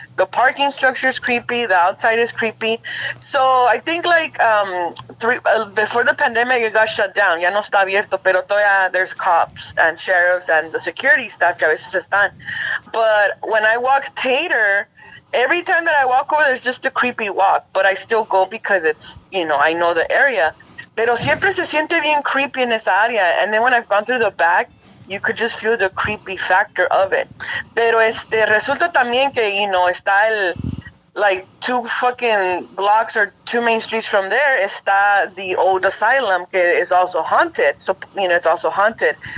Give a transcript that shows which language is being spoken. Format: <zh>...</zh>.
<en>The parking structure is creepy. The outside is creepy. So I think like before the pandemic, it got shut down.</en> <es>Ya no está abierto, pero todavía</es> <en>there's cops and sheriffs and the security staff</en> <es>que a veces están.</es> <en>But when I walk Tater, every time that I walk over, there's just a creepy walk. But I still go because it's, you know, I know the area.</en> <es>Pero siempre se siente bien creepy en esa área.</es> <en>And then when I've gone through the back, you could just feel the creepy factor of it.</en> <es>Pero resulta también que,</es> <en>you know,</en> <es>está el,</es> <en>like, two fucking blocks or two main streets from there, está the old asylum, que is also haunted. So, you know, it's also haunted.</en>